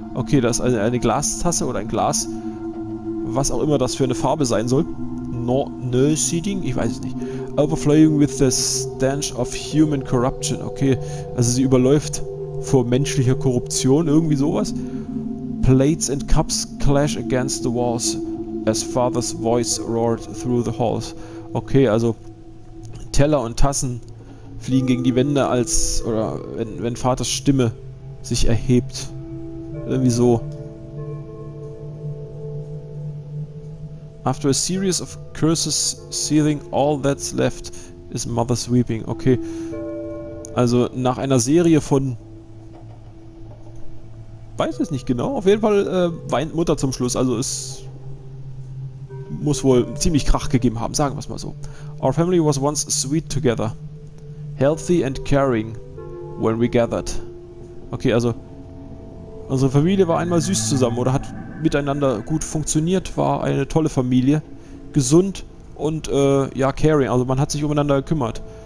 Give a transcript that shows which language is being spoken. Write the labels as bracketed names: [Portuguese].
[German] Okay, das ist eine Glastasse oder ein Glas, was auch immer das für eine Farbe sein soll. [English] No seeding, [German] ich weiß es nicht. [English] Overflowing with the stench of human corruption. [German] Okay, also sie überläuft vor menschlicher Korruption, irgendwie sowas. [English] Plates and cups clash against the walls as father's voice roared through the halls. [German] Okay, also Teller und Tassen fliegen gegen die Wände, als oder wenn Vaters Stimme sich erhebt. Irgendwie so. [English] After a series of curses seething, all that's left is mother's weeping. Okay. [German] Also nach einer Serie von, weiß es nicht genau, auf jeden Fall weint Mutter zum Schluss. Also es muss wohl ziemlich Krach gegeben haben, sagen wir es mal so. [English] Our family was once sweet together, healthy and caring when we gathered. [German] Okay, also unsere Familie war einmal süß zusammen oder hat miteinander gut funktioniert, war eine tolle Familie, gesund und ja, caring, also man hat sich umeinander gekümmert.